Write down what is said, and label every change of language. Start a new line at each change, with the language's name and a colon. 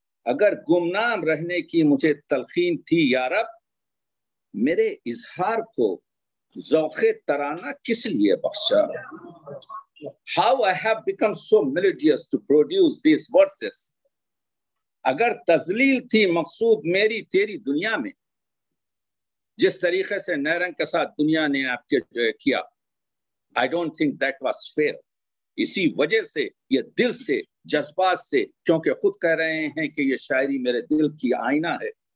Urdu: اگر گمنام رہنے کی مجھے تلقین تھی یارب, میرے اظہار کو ذوق ترانہ کس لیے بخشا.
English: How I have become so melodious to produce these verses.
Urdu: اگر تذلیل تھی مقصود میری تیری دنیا میں, جس طریقے سے نیرنگ کے ساتھ دنیا نے آپ کے کیا,
English: I don't think that was fair.
Urdu: اسی وجہ سے یہ دل سے جذبات سے, کیونکہ خود کہہ رہے ہیں کہ یہ شاعری میرے دل کی آئینہ ہے.